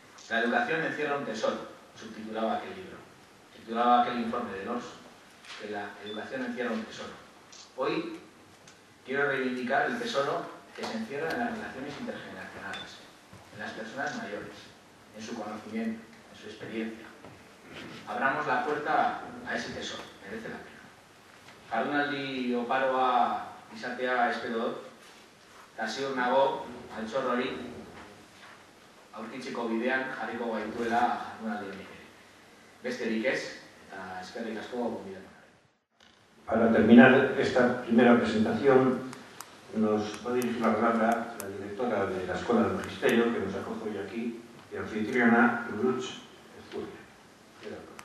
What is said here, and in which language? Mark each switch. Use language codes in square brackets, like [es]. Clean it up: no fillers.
[es] La educación encierra un tesoro, subtitulaba aquel libro, titulaba aquel informe de Lodz, que la educación encierra un tesoro. Hoy quiero reivindicar el tesoro que se encierra en las relaciones intergeneracionales, en las personas mayores, en su conocimiento, en su experiencia. Abramos la puerta a ese tesoro, merece la pena. [eu] Jardunaldi oparoa izatea espero dut, eta ziur nago altxor hori aurkitzeko bidean jarriko gaituela jardunaldi honek. Besterik ez, eta eskerrik asko gonbidatu. [es] Para terminar esta primera presentación, nos va a dirigir la palabra la directora de la Escuela del Magisterio, que nos acoge hoy aquí, y anfitriona, Luch Ezcurria.